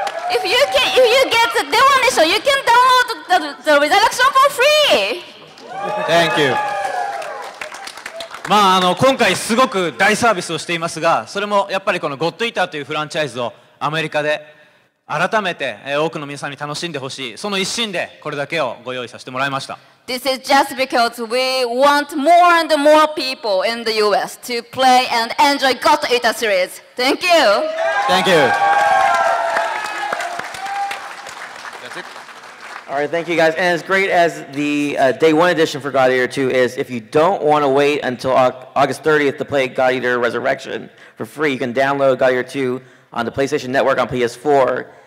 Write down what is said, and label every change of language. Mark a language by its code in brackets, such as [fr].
[en] If you get the day one edition, you can download the resurrection for free. Thank you. [ja] まあ、今回すごく大サービスをしていますが、それもやっぱりこのゴッドイーターというフランチャイズをアメリカで改めて多くの皆さんに楽しんでほしい、その一心でこれだけをご用意させてもらいました。 [en] This is just because we want more and more people in the US to play and enjoy God Eater series. Thank you. Thank you. All right, thank you guys. And as great as the day one edition for God Eater 2 is, if you don't want to wait until August 30th to play God Eater Resurrection for free, you can download God Eater 2 on the PlayStation Network on PS4.